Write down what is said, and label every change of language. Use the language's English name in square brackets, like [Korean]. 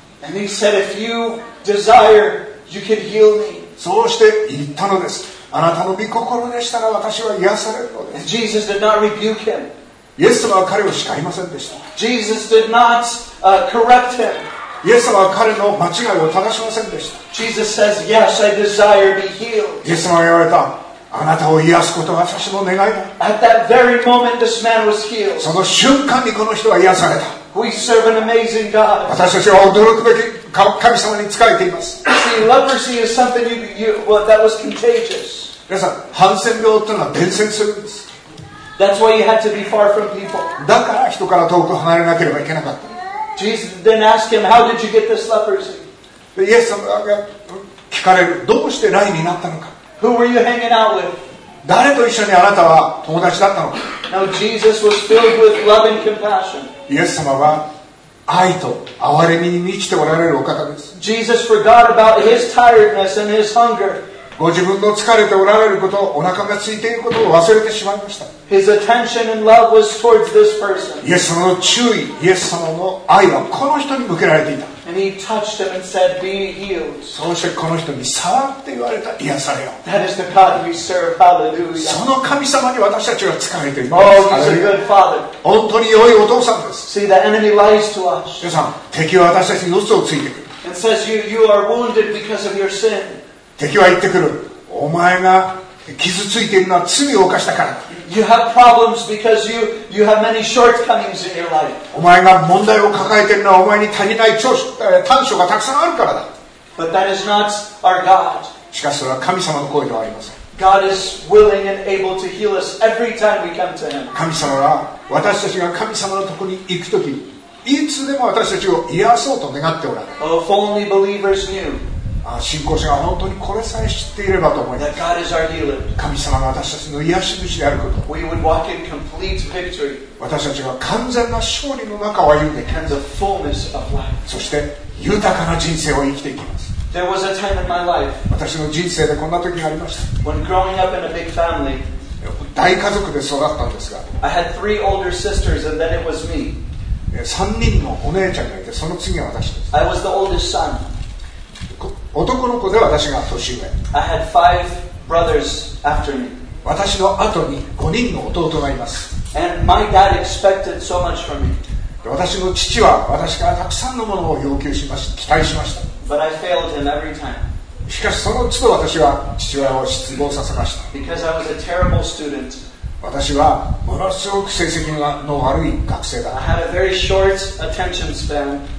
[English] And he said, if you desire, you can heal me. [Japanese] そうして言ったのです。あなたの御心でしたら私は癒されるのです。 [English] Jesus did not rebuke him. [Japanese] イエス様は彼を叱りませんでした。 [English] Jesus did not correct him. [Japanese] イエス様は彼の間違いを正しませんでした。 [English] Jesus says, yes, I desire be healed. [Japanese] イエス様は言われた。あなたを癒すことが私の願いだ。 [English] At that very moment, this man was healed. [Japanese] その瞬間にこの人は癒された。 [English] We serve an amazing God. [Japanese] 私たちは驚くべき神様に仕えています。 [English] See, leprosy is something well, that was contagious. [Japanese] 皆さん、ハンセン病というのは伝染するんです。 [English] That's why you had to be far from people. [Japanese] だから人から遠く離れなければいけなかった。 [English] Jesus then asked him, how did you get this leprosy? [Japanese] イエス様が聞かれる、どうしてライになったのか。 [English] Who were you hanging out with? [Japanese] 誰と一緒にあなたは友達だったのか。 [English] Now, Jesus was filled with love and compassion. [Japanese] イエス様は愛と憐れみに満ちておられるお方です。 [English] Jesus forgot about his tiredness and his hunger. [Japanese] ご自分の疲れておられること、お腹が空いていることを忘れてしまいました。 [English] His attention and love was towards this person. [Japanese] イエス様の注意、イエス様の愛はこの人に向けられていた。 [English] And he touched him and said, "Be healed." [Japanese] そしてこの人に触って言われた、癒されよ。 [English] That is the God we serve. Hallelujah. [Japanese] その神様に私たちは仕えています [English] 。 Oh, he's a good father. [Japanese] 本当に良いお父さんです。 [English] See, the enemy lies to us. [Japanese] 皆さん、敵は私たちに嘘をついてくる。 [English] And says, you are wounded because of your sin. [Japanese] 敵は言ってくる。お前が傷ついているのは罪を犯したから。 [English] You have problems because you have many shortcomings in your life. [Japanese] お前が問題を抱えているのはお前に足りない短所がたくさんあるからだ。 [English] But that is not our God. [Japanese] しかしそれは神様の声ではありません。 [English] God is willing and able to heal us every time we come to Him. [Japanese] 神様は私たちが神様のところに行くとき、いつでも私たちを癒そうと願っておられ [English] る。Oh, if only believers knew. [Japanese] 信仰者が本当にこれさえ知っていればと思います。神様が私たちの癒し主であること。 [English] We would walk in complete victory. [Japanese] 私たちが完全な勝利の中を歩んでいきます。 [English] And the fullness of life. [Japanese] そして豊かな人生を生きていきます。 [English] There was a time in my life. [Japanese] 私の人生でこんな時がありました。 [English] When growing up in a big family, [Japanese] 大家族で育ったんですが、 [English] I had three older sisters and then it was me. [Japanese] 3人のお姉ちゃんがいて、その次は私です。 [English] I was the oldest son. [Japanese] 男の子で私が年上。 [English] I had five brothers after me. [Japanese] 私の後に5人の弟がいます。 [English] And my dad expected so much from me. [Japanese] 私の父は私からたくさんのものを要求しました、期待しました。 [English] But I failed him every time. [Japanese] しかしその都度私は父親を失望させました。 [English] Because I was a terrible student. [Japanese] 私はものすごく成績の悪い学生だ。 [English] I had a very short attention span.